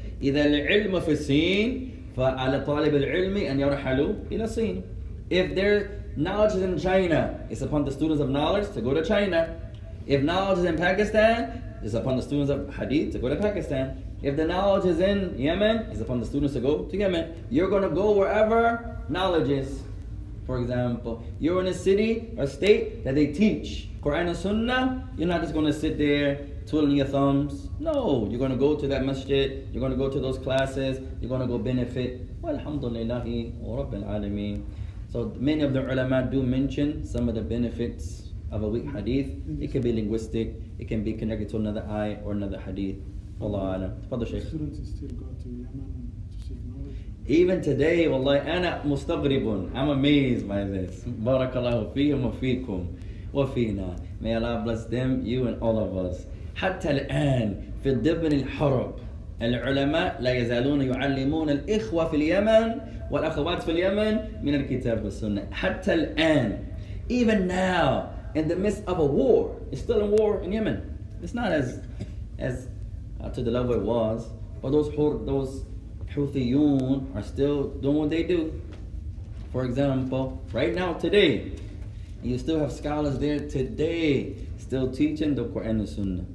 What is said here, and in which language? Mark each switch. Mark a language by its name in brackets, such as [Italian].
[Arabic] إذا العلم في الصين فعلى طالب العلم أن يرحلوا إلى الصين. [English] If there knowledge is in China, it's upon the students of knowledge to go to China. If knowledge is in Pakistan, it's upon the students of hadith to go to Pakistan. If the knowledge is in Yemen, it's upon the students to go to Yemen. You're going to go wherever knowledge is. For example, you're in a city or state that they teach Quran and Sunnah, you're not just going to sit there twiddling your thumbs. No, you're going to go to that masjid, you're going to go to those classes, you're going to go benefit. [Arabic] Walhamdulillahi wa rabbil alameen. [English] So many of the ulama do mention some of the benefits of a weak hadith. It can be linguistic, it can be connected to another ayah or another hadith. Allah a'lam. Tafadhal Shaykh. Students still go to Yemen to seek knowledge? Even today, wallahi, [Arabic] ana mustagribun. [English] I'm amazed by this. [Arabic] Barakallahu fihim wa fikum wa fina. [English] May Allah bless them, you and all of us. [Arabic] Hatta al-an fi dibn al-harab. العلماء لا يزالون يعلمون الإخوة في اليمن والأخوات في اليمن من الكتاب والسنة حتى الآن. [English] Even now, in the midst of a war, it's still a war in Yemen. It's not as to the level it was, but those Houthiyun are still doing what they do. For example, right now, today, you still have scholars there today still teaching the Quran and the Sunnah.